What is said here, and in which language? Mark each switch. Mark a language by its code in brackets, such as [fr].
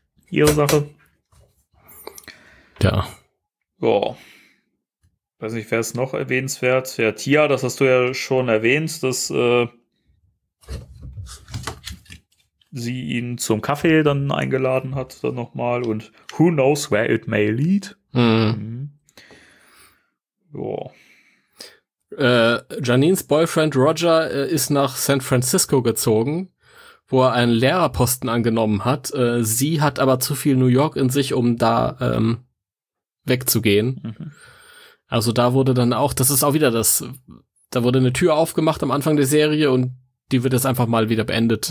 [de] Ihre Sache. Ja. Ja. Weiß nicht, wer ist noch erwähnenswert? Ja, Tia, das hast du ja schon erwähnt, dass sie ihn zum Kaffee dann eingeladen hat, dann nochmal. [en] Und who knows where it may lead. [de] Ja. Janines Boyfriend Roger ist nach San Francisco gezogen, wo er einen Lehrerposten angenommen hat. Sie hat aber zu viel New York in sich, um da wegzugehen. Mhm. Also da wurde dann auch, das ist auch wieder das, da wurde eine Tür aufgemacht am Anfang der Serie und die wird jetzt einfach mal wieder beendet.